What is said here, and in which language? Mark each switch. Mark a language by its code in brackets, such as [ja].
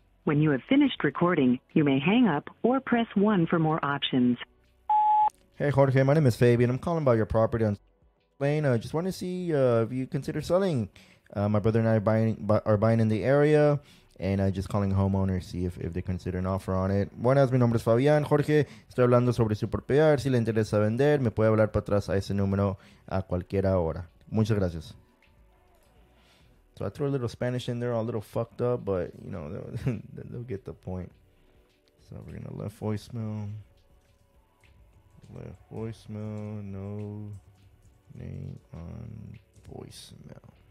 [en] When you have finished recording, you may hang up or press 1 for more options. Hey Jorge, my name is Fabian. I'm calling about your property on Lane. I just want to see if you consider selling. My brother and I are buying in the area, and I just calling homeowners, see if they consider an offer on it. [es] Buenas, mi nombre es Fabian. Jorge, estoy hablando sobre su propiedad. Si le interesa vender, me puede hablar para atrás a ese número a cualquier hora. Muchas gracias. [en] So I threw a little Spanish in there, a little fucked up, but you know, they'll get the point. So we're gonna left voicemail, no name on voicemail.